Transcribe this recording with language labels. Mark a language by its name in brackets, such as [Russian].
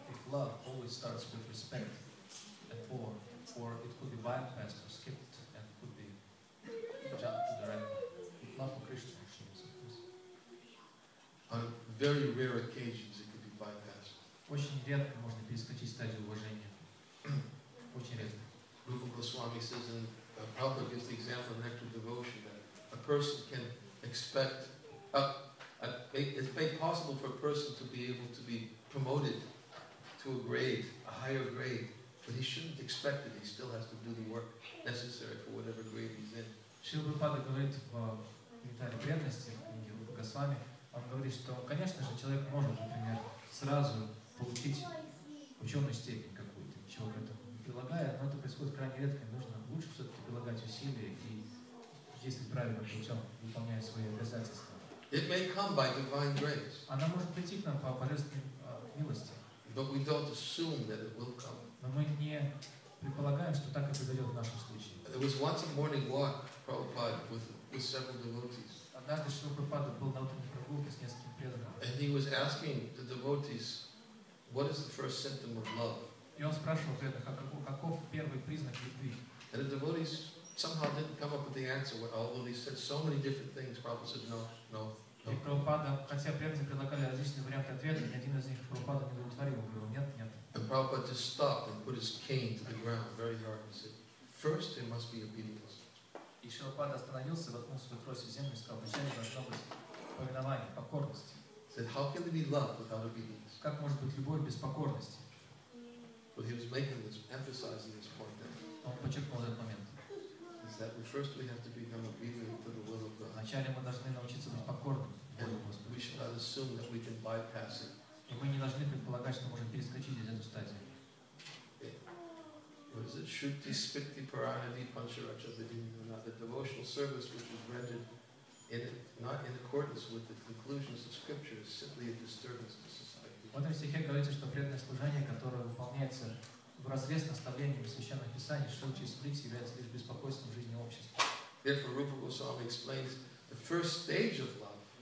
[English] love always starts with respect and awe, or it could be bypassed or skipped and could be jumped to the right. But love for Krishna actually is like this. On very rare occasions it could be bypassed. [Russian] Очень редко можно перескочить стадию уважения. Очень редко. [English] Rupa Goswami says in Prabhupada gives the example of nectar devotion that a person can expect it's made possible for a person to be able to be promoted to a grade, a higher grade, but he shouldn't expect it. He still has to do the work necessary for whatever grade he's in. [Russian] Шрила Прабхупада говорит в «Нектаре преданности» в книге Рупа Госвами, он говорит, что, конечно же, человек может, например, сразу получить ученую степень какую-то, чего к этому прилагая, но это происходит крайне редко, и нужно лучше все-таки прилагать усилия и действовать правильным путем, выполняя свои обязательства. [English] It may come by divine grace. [Russian] Она может прийти к нам по божественной милости. [English] But we don't assume that it will come. [Russian] Но мы не предполагаем, что так и произойдет в нашем случае. [English] There was once a morning walk, Prabhupada, with several devotees. [Russian] Однажды Шрила Прабхупада был на утренней прогулке с несколькими преданными. [English] And he was asking the devotees, what is the first symptom of love? [Russian] И он спрашивал преданных, каков первый признак любви. [English] And the devotees somehow didn't come up with the answer, although they said so many different things. Prabhupada said, no, no. [Russian] И Прабхупада, хотя преданные предлагали различные варианты ответа, ни один из них Прабхупада не удовлетворил, говорил, нет, нет. [English] And Prabhupada just stopped and put his cane to the ground very hard and said, first there must be obedience. [Russian] И Прабхупада остановился, воткнул свой трость в землю и сказал, вначале должно быть повинование, покорность. [English] Said, how can there be love without obedience? [Russian] Как может быть любовь без покорности? [English] But he was making this, emphasizing this point then. [Russian] Он подчеркнул этот момент. [English] Is that we first we have to become obedient to the will of God. [Russian] Вначале мы должны научиться быть покорными. [English] We should not assume that we can bypass it. [Russian] И мы не должны предполагать, что можем перескочить из эту стадию. [English] What is it? Shuddhi spitti paranadi pancharacha vidinana. The devotional service which is rendered not in accordance with the conclusions of scripture is simply a disturbance to society. [Russian] В этом стихе говорится, что преданное служение, которое выполняется в разрез наставлениями священных писаний, шучи сплит, является лишь беспокойством в жизни общества. [English] Therefore, Rupa Goswami explains the first stage of love.